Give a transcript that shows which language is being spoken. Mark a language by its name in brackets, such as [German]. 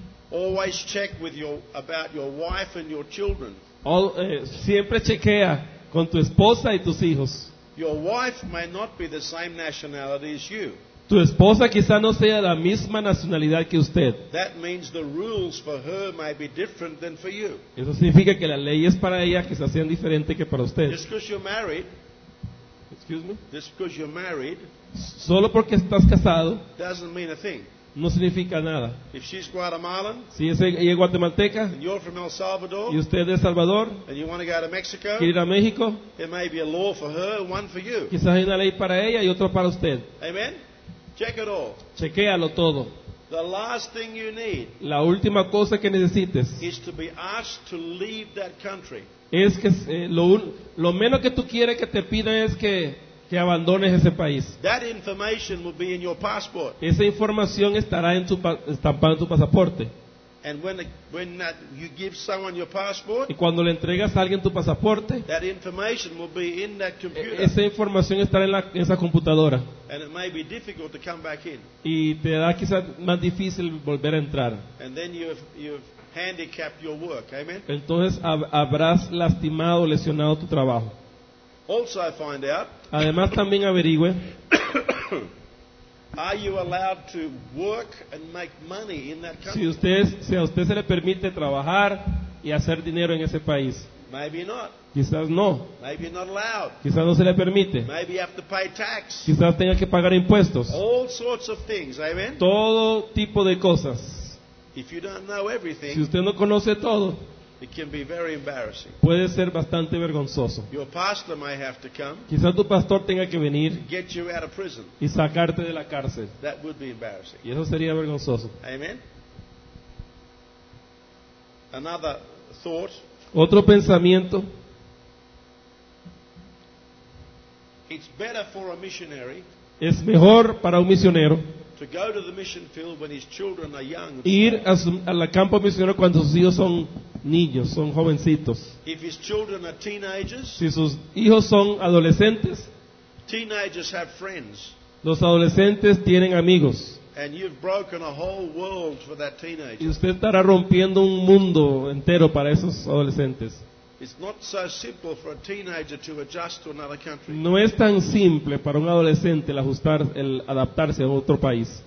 [English] always check with about your wife and your children. [Spanish] Siempre chequea con tu esposa y tus hijos. [English] Your wife may not be the same nationality as you. [Spanish] Tu esposa quizá no sea la misma nacionalidad que usted. [English] That means the rules for her may be different than for you. [Spanish] Eso significa que las leyes para ella quizá sean diferentes que para usted. [English] Just because you're married, excuse me? Just because you're married, [Spanish] solo porque estás casado, [English] doesn't mean a thing. [Spanish] No significa nada. [English] If she's Guatemalan, [Spanish] si ella es guatemalteca, [English] and you're from El Salvador, [Spanish] y usted es de Salvador, [English] and you want to go to Mexico, [Spanish] quiere ir a México, [English] it may be a law for her, one for you. [Spanish] Quizás hay una ley para ella y otra para usted. [English] Amen. Check it all. [Spanish] Chequéalo todo. [English] The last thing you need, [Spanish] la última cosa que necesites, [English] is to be asked to leave that country. [Spanish] Es que lo menos que tú quieres que te pidan es que abandones ese país. [English] That information will be in your passport. [Spanish] Esa información estará en tu estampado en tu pasaporte. [English] And when that you give someone your passport, [Spanish] y cuando le entregas a alguien tu pasaporte, [English] that information will be in that computer. [Spanish] Esa información estará en esa computadora. [English] And it may be difficult to come back in. [Spanish] Y te da quizá más difícil volver a entrar. [English] And then you've handicapped your work. Amen. [Spanish] Entonces habrás lastimado, lesionado tu trabajo. [English] Also find out. [Spanish] Además también averigüe. [English] Are you allowed to work and make money in that country? [Spanish] Si a usted se le permite trabajar y hacer dinero en ese país. [English] Maybe not. [Spanish] Quizás no. [English] Maybe not allowed. [Spanish] Quizás no se le permite. [English] Maybe you have to pay tax. [Spanish] Quizás tenga que pagar impuestos. [English] All sorts of things, amen. [Spanish] Todo tipo de cosas. [English] If you don't know everything, [Spanish] si usted no conoce todo, [English] It can be very embarrassing. [Spanish] Puede ser bastante vergonzoso. [English] Your pastor might have to come. [Spanish] Quizá tu pastor tenga que venir. [English] Get you out of prison. [Spanish] Y sacarte de la cárcel. [English] That would be embarrassing. [Spanish] Y eso sería vergonzoso. [English] Amen. Another thought. [Spanish] Otro pensamiento. [English] It's better for a missionary. [Spanish] Es mejor para un misionero. [English] To go to the mission field when his children are young. [Spanish] Ir al campo misionero cuando sus hijos son niños, son jovencitos. [English] If his children are teenagers. [Spanish] Si sus hijos son adolescentes. [English] Teenagers have friends. [Spanish] Los adolescentes tienen amigos. [English] And you've broken a whole world for that teenager. [Spanish] Y usted estará rompiendo un mundo entero para esos adolescentes. [English] It's not so simple for a teenager to adjust to another country. [Spanish] No es tan simple para un adolescente el adaptarse a otro país.